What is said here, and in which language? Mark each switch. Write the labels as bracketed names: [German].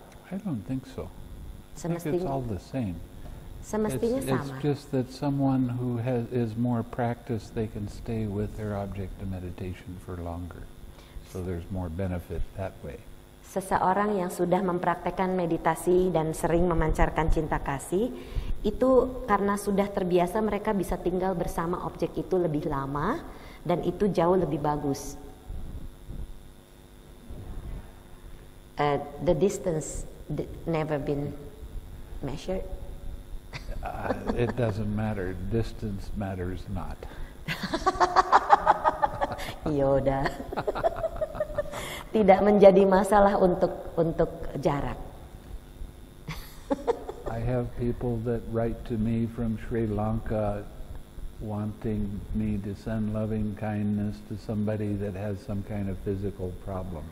[English] I don't think so. I think it's all the same. [Indonesian] Semestinya sama. [English] It's just that someone who is more practiced, they can stay with their object of meditation for longer. So there's more benefit that way. [Indonesian] Seseorang yang sudah mempraktekkan meditasi dan sering memancarkan cinta kasih, itu karena sudah terbiasa mereka bisa tinggal bersama objek itu lebih lama dan itu jauh lebih bagus. [English] The distance never been measured. It doesn't matter. Distance matters not. [Indonesian] Yaudah. Tidak menjadi masalah untuk jarak. [English] I have people that write to me from Sri Lanka wanting me to send loving kindness to somebody that has some kind of physical problem.